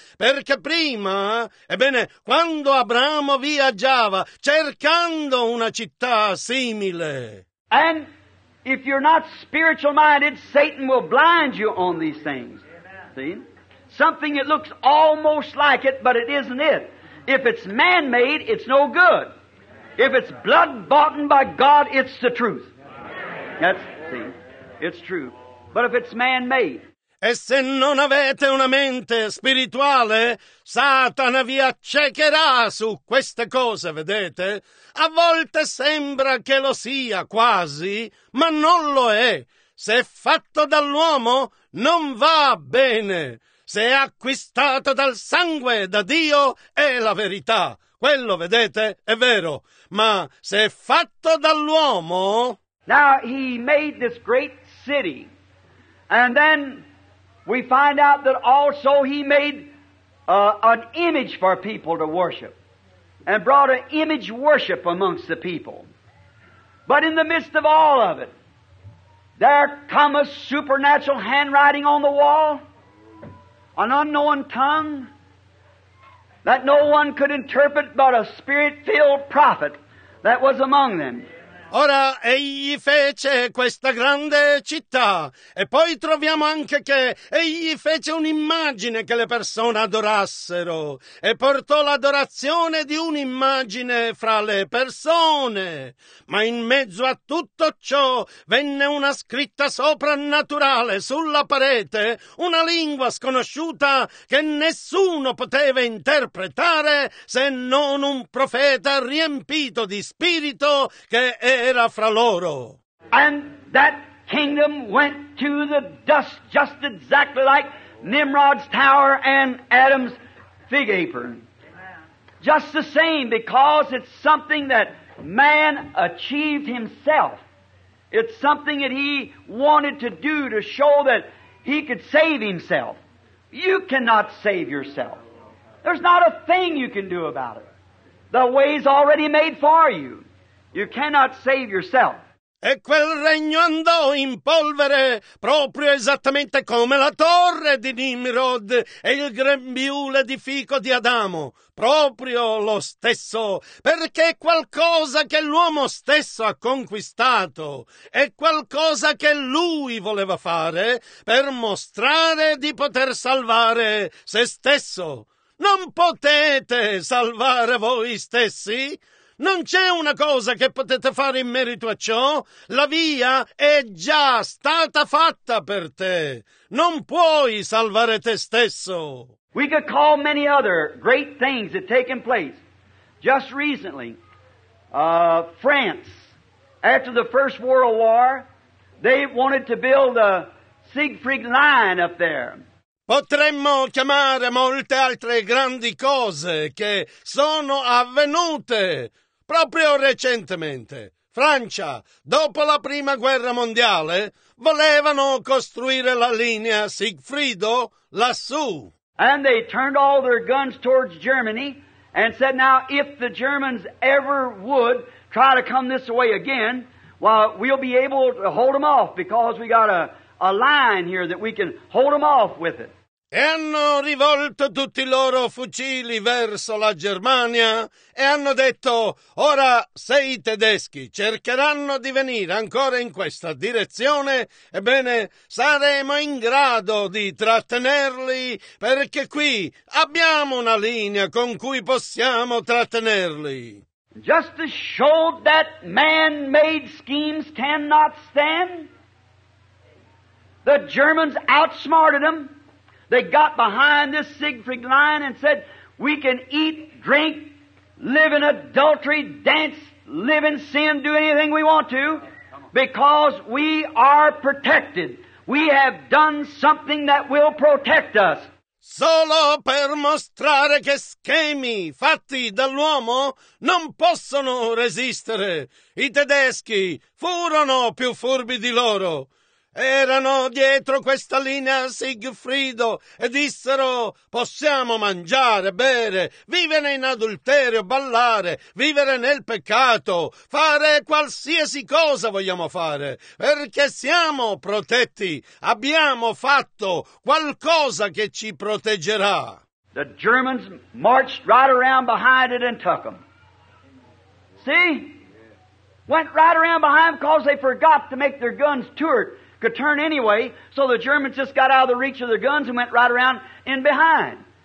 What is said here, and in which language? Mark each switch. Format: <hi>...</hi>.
<it>Perché prima, ebbene, quando Abramo viaggiava, cercando una città, simile.</it> <en>And if you're not spiritual minded, Satan will blind you on these things. Amen. See? Something that looks almost like it, but it isn't it. If it's man made, it's no good. If it's blood bought by God, it's the truth. That's, see, it's true. But if it's man made,</en> <it>e se non avete una mente spirituale, Satana vi accecherà su queste cose, vedete? A volte sembra che lo sia, quasi, ma non lo è. Se è fatto dall'uomo, non va bene. Se è acquistato dal sangue, da Dio, è la verità. Quello, vedete, è vero. Ma se è fatto dall'uomo...</it> <en>Now, he made this great city, and then... We find out that also he made an image for people to worship and brought an image worship amongst the people. But in the midst of all of it, there come a supernatural handwriting on the wall, an unknown tongue that no one could interpret but a spirit-filled prophet that was among them.</en> <it>Ora, egli fece questa grande città, e poi troviamo anche che egli fece un'immagine che le persone adorassero, e portò l'adorazione di un'immagine fra le persone. Ma in mezzo a tutto ciò venne una scritta soprannaturale sulla parete, una lingua sconosciuta che nessuno poteva interpretare se non un profeta riempito di spirito che è era fra loro.</it> <en>And that kingdom went to the dust just exactly like Nimrod's tower and Adam's fig apron. Just the same, because it's something that man achieved himself. It's something that he wanted to do to show that he could save himself. You cannot save yourself. There's not a thing you can do about it. The way's already made for you. You cannot save yourself.</en> <it>E quel regno andò in polvere, proprio esattamente come la torre di Nimrod e il grembiule di fico di Adamo, proprio lo stesso, perché è qualcosa che l'uomo stesso ha conquistato, è qualcosa che lui voleva fare per mostrare di poter salvare se stesso. Non potete salvare voi stessi. Non c'è una cosa che potete fare in merito a ciò? La via è già stata fatta per te. Non puoi salvare te stesso.</it> <en>We could call many other great things that have taken place. Just recently, France, after the First World War, they wanted to build a Siegfried Line up there.</en> <it>Potremmo chiamare molte altre grandi cose che sono avvenute. Proprio recentemente, Francia, dopo la Prima Guerra Mondiale, volevano costruire la linea Siegfriedo lassù.</it> <en>And they turned all their guns towards Germany and said, now if the Germans ever would try to come this way again, well, we'll be able to hold them off because we got a line here that we can hold them off with it.</en> <it>E hanno rivolto tutti i loro fucili verso la Germania e hanno detto, ora se i tedeschi cercheranno di venire ancora in questa direzione, ebbene saremo in grado di trattenerli perché qui abbiamo una linea con cui possiamo trattenerli.</it> <en>Just to show that man-made schemes cannot stand, the Germans outsmarted them. They got behind this Siegfried Line and said, we can eat, drink, live in adultery, dance, live in sin, do anything we want to, because we are protected. We have done something that will protect us.</en> <it>Solo per mostrare che schemi fatti dall'uomo non possono resistere. I tedeschi furono più furbi di loro. Erano dietro questa linea Siegfriedo e dissero: possiamo mangiare, bere, vivere in adulterio, ballare, vivere nel peccato, fare qualsiasi cosa vogliamo fare, perché siamo protetti, abbiamo fatto qualcosa che ci proteggerà.</it> <en>The Germans marched right around behind it and took them. See? Went right around behind them because they forgot to make their guns turret. Could turn anyway, so the Germans just got out of the reach of their guns and went right around in behind.</en>